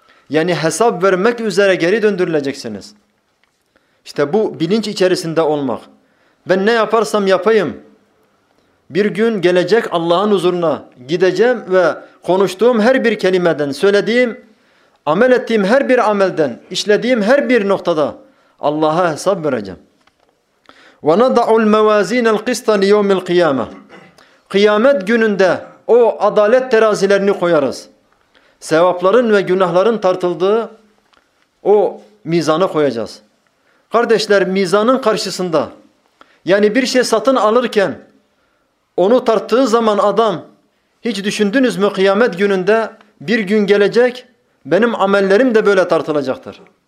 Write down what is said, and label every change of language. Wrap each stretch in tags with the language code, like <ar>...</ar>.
<tr>Yani hesap vermek üzere geri döndürüleceksiniz. İşte bu bilinç içerisinde olmak. Ben ne yaparsam yapayım. Bir gün gelecek Allah'ın huzuruna gideceğim ve konuştuğum her bir kelimeden, söylediğim, amel ettiğim her bir amelden, işlediğim her bir noktada Allah'a hesap vereceğim.</tr> <ar>وَنَضَعُ الْمَوَازِينَ الْقِسْطَ لِيَوْمِ الْقِيَامَةِ</ar> <tr>Kıyamet gününde O adalet terazilerini koyarız. Sevapların ve günahların tartıldığı o mizanı koyacağız. Kardeşler, mizanın karşısında, yani bir şey satın alırken onu tarttığı zaman adam, hiç düşündünüz mü kıyamet gününde bir gün gelecek, benim amellerim de böyle tartılacaktır.</tr>